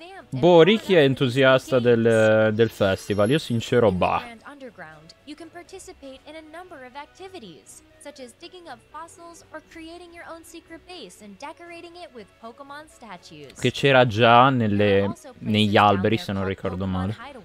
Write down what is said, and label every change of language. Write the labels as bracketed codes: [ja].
[it] Boh, Ricky è entusiasta del festival. Io sincero, bah. [en] You can participate in a number of activities, such as digging up fossils or creating your own secret base and decorating it with Pokemon statues. [it] Che c'era già negli alberi, se non ricordo male.